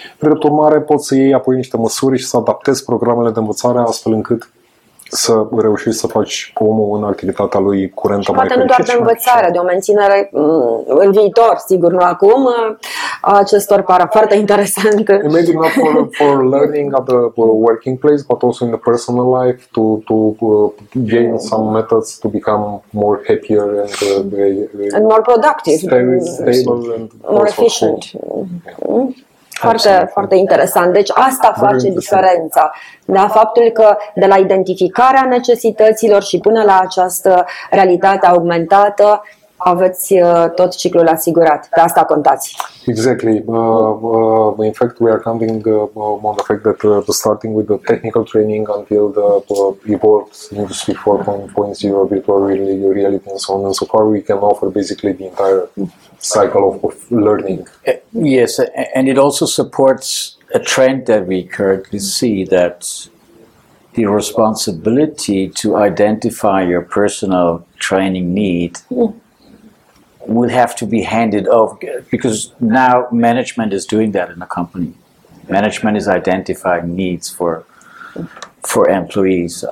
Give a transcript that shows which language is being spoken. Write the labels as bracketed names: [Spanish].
[Romanian] Drept urmare, poți să iei apoi niște măsuri și să adaptezi programele de învățare astfel încât să reușești să faci omul în activitatea lui curentă. Și poate nu doar de învățare, de o menținere în viitor, sigur, nu acum, acestor pară foarte interesant. [English] Maybe not for learning at the working place, but also in the personal life to gain some methods to become more happier and more productive. Stable and more efficient. [Romanian] Foarte, foarte interesant. Deci asta face diferența. Da? Faptul că de la identificarea necesităților și până la această realitate augmentată aveți tot ciclul asigurat. Pe asta contați. [English] Exactly. In fact, we are counting on the fact that starting with the technical training until the evolved industry 4.0, virtual reality and so on and so far, we can offer basically the entire cycle of learning. Yes, and it also supports a trend that we currently see, that the responsibility to identify your personal training need will have to be handed over, because now management is doing that in a company. Management is identifying needs for for employees.